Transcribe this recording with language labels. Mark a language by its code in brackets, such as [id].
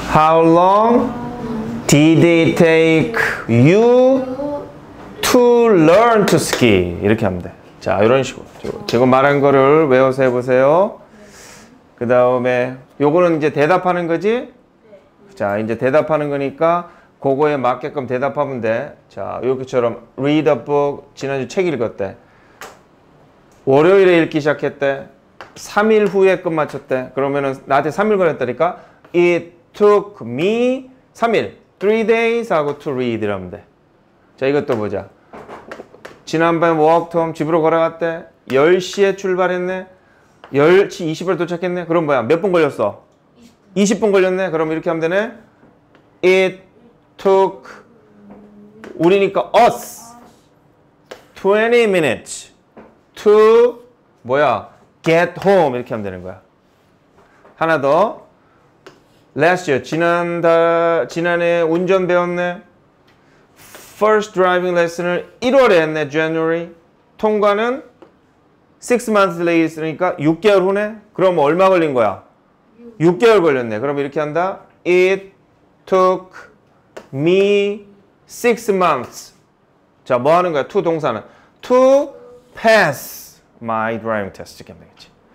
[en] How long did it take you to learn to ski? [ko] 이렇게 하면 돼. 자, 이런 식으로 지금 말한 거를 외워서 해보세요. 그 다음에 요거는 이제 대답하는 거지? 자, 이제 대답하는 거니까 그거에 맞게끔 대답하면 돼. 자, 요렇게처럼 read a book, 지난주 책 읽었대. 월요일에 읽기 시작했대. 3일 후에 끝마쳤대. 그러면은 나한테 3일 걸렸다니까. [en] It took me 3일, 3 days [ko] 하고 [en] to read [ko] 이러면 돼. 자, 이것도 보자. 지난번에 walked home, 집으로 걸어갔대. 10시에 출발했네. 10시 20분에 도착했네. 그럼 뭐야? 몇 분 걸렸어? 20분. 20분 걸렸네. 그럼 이렇게 하면 되네. [en] It took [ko] 우리니까 [en] us 20 minutes to [ko] 뭐야? [en] get home [ko] 이렇게 하면 되는 거야. 하나 더. [en] Last year [ko] 지난해 운전 배웠네. [en] First driving lesson을 [ko] 1월에 했네, [en] January. [ko] 통과는 6 months later니까 6개월 후네. 그럼 얼마 걸린 거야? 6개월 걸렸네. 그럼 이렇게 한다. [en] It took me 6 months. [ko] 자, 뭐 하는 거야? To 동사는. [en] To pass my driving test. [ko] 이렇게 하면 되겠지.